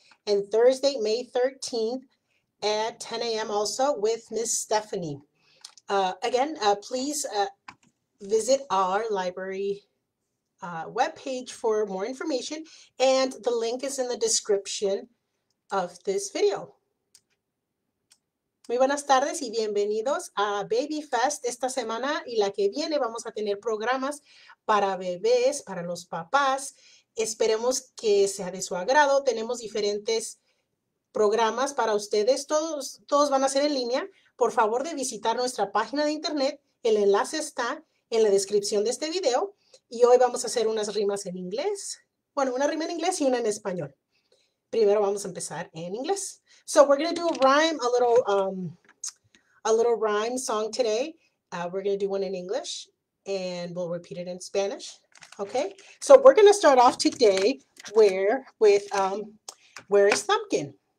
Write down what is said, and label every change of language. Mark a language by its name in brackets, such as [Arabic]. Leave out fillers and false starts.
[English] and Thursday, May 13th at 10 a.m. also with Miss Stephanie. Again, please visit our library webpage for more information, and the link is in the description of this video. [Spanish] Muy buenas tardes y bienvenidos a Baby Fest. Esta semana y la que viene vamos a tener programas para bebés, para los papás. Esperemos que sea de su agrado. Tenemos diferentes programas para ustedes. Todos van a ser en línea. Por favor, de visitar nuestra página de internet. El enlace está en la descripción de este video. Y hoy vamos a hacer unas rimas en inglés. Bueno, una rima en inglés y una en español. Primero vamos a empezar en inglés. [English] So we're going to do a little rhyme song today. We're going to do one in English and we'll repeat it in Spanish. Okay. So we're going to start off today where is Thumpkin?